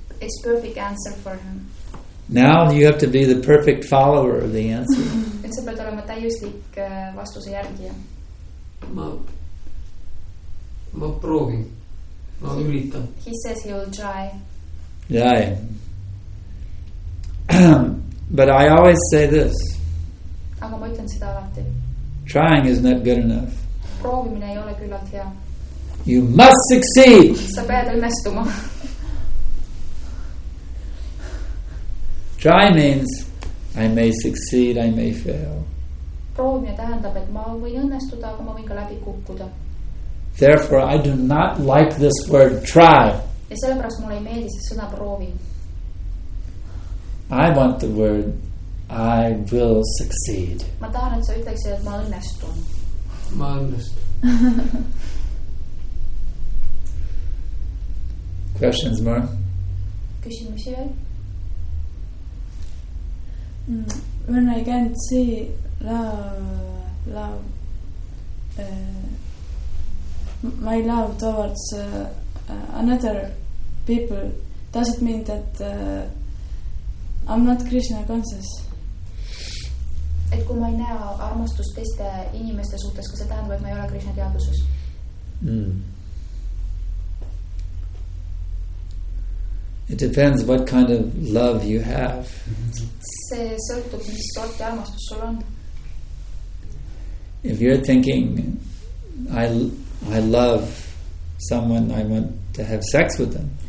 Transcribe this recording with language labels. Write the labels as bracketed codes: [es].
[en] It's perfect answer for him. Now you have to be the perfect follower of the answer. It's a better [et] täiuslik vastuse järgi. Ma proovin. Ma üritan. [en] He says he will try. Yeah. But I always say this. [et] Aga ma ütlen seda alati. [en] Trying is not good enough. [et] Proovimine ei ole küllalt hea. [en] You must succeed. [et] Sa pead õnnestuma. [en] Try means I may succeed, I may fail. [et] Proovimine tähendab, et ma võin õnnestuda, aga ma võin ka läbi kukkuda. [en] Therefore, I do not like this word try. [et] Ja sellepärast mulle ei meeldi see sõna proovi. [en] I want the word I will succeed. [et] Ma tahan, et sa ütleksid, et ma õnnestun. Ma õnnestun. [en] Questions more? [et] Küsimusi veel? [en] When I can't see love, my love towards another people, does it mean that I'm not Krishna conscious? [et] Et kui ma ei näe armastust teiste inimeste suhtes, kas see tähendab, et ma ei ole Krishna teaduses? [en] It depends what kind of love you have. [et] See sõltub, mis sorti armastus sul on. [en] If you're thinking, I love someone, I want to have sex with them.